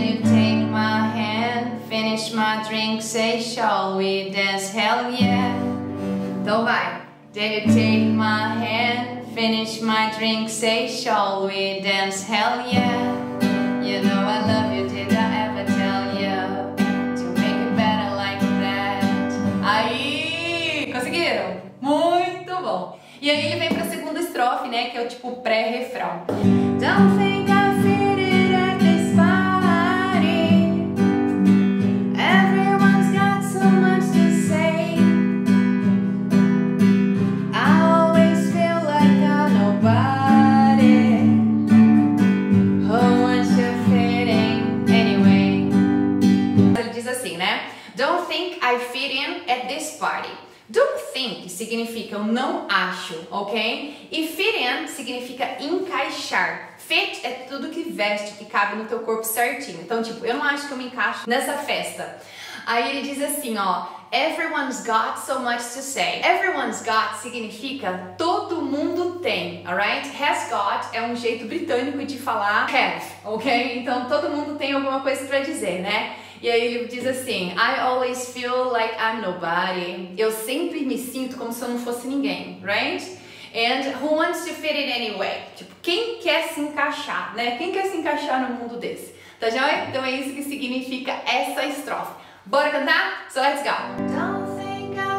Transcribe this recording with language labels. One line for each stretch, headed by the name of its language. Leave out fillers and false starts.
English: Krishna, drink, say, shall we dance? Hell yeah!
Portuguese: Então vai!
English: Did you take my hand? Finish my drink, say, shall we dance? Hell yeah! You know I love you, did I ever tell you to make it better like that?
Portuguese: Aí! Conseguiram? Muito bom! E aí ele vem pra segunda estrofe, né? Que é o tipo pré-refrão.
English: Don't think
Portuguese: significa eu não acho, ok? E fit in significa encaixar. Fit é tudo que veste, que cabe no teu corpo certinho. Então, tipo, eu não acho que eu me encaixo nessa festa. Aí ele diz assim, ó,
English: everyone's got so much to say. Everyone's got
Portuguese: significa todo mundo tem, alright? Has got é um jeito britânico de falar have, ok? Então todo mundo tem alguma coisa pra dizer, né? E aí ele diz assim,
English: I always feel like I'm nobody.
Portuguese: Eu sempre me sinto como se eu não fosse ninguém, right?
English: And who wants to fit in anyway?
Portuguese: Tipo, quem quer se encaixar, né? Quem quer se encaixar no mundo desse? Tá já? Então é isso que significa essa estrofe. Bora cantar?
English: So let's go!